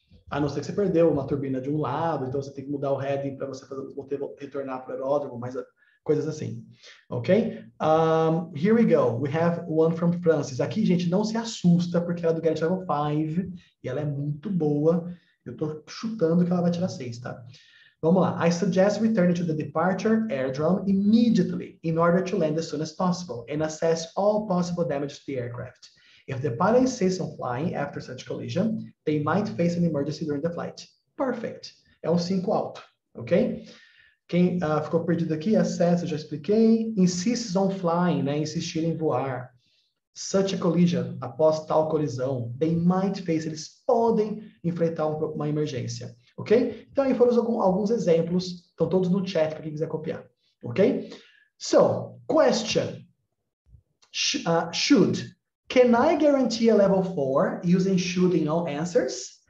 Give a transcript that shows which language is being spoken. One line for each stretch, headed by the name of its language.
Portuguese: A não ser que você perdeu uma turbina de um lado, então você tem que mudar o heading para você poder retornar para o aeródromo, mas coisas assim. Ok?
English: Here we go. We have one from Francis.
Portuguese: Aqui, gente, não se assusta, porque ela é do Garage Level 5 e ela é muito boa. Eu estou chutando que ela vai tirar 6, tá? Vamos lá.
English: I suggest returning to the departure airdrome immediately in order to land as soon as possible and assess all possible damage to the aircraft. If the pilot insists on flying after such collision, they might face an emergency during the flight. Perfect.
Portuguese: É um 5 alto, ok? Quem ficou perdido aqui, acesso, eu já expliquei.
English: Insists on flying,
Portuguese: né? Insistir em voar.
English: Such a collision,
Portuguese: após tal colisão,
English: they might face,
Portuguese: eles podem enfrentar uma emergência, ok? Então, aí foram alguns exemplos. Estão todos no chat para quem quiser copiar, ok?
English: So, question. Should. Can I guarantee a level 4 using should in all answers?